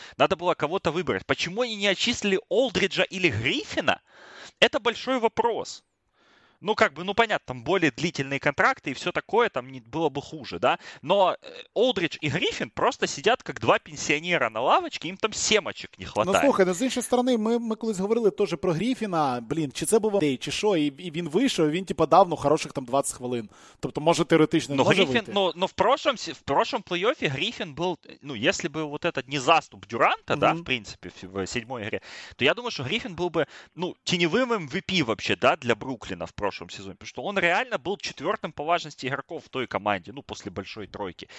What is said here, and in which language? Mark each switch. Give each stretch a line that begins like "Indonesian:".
Russian: Надо было кого-то выбрать. Почему они не отчислили Олдриджа или Гриффина? Это большой вопрос. Ну, как бы, ну, понятно, там более длительные контракты и все такое, там не, было бы хуже, да. Но Олдридж и Гриффин просто сидят как два пенсионера на лавочке, им там семочек не хватает.
Ukrainian: Ну, слухай, ну, с іншої сторони, ми колись говорили тоже про Гриффина, блин, чи це був ідей, чи що, і він вийшов, він, типа, дав, ну, хороших там 20 хвилин. Тобто, може, теоретично, ну, може Гриффин, вийти.
Russian: Ну, в прошлом плей-оффе Гриффин был, ну, если бы вот этот не заступ Дюранта, да, в принципе, в седьмой игре, то я думаю, что Гриффин был бы, ну, теневым MVP вообще, да, для Бруклина в прошлом сезоне, потому что он реально был четвертым по важности игроков в той команде, ну, после большой тройки.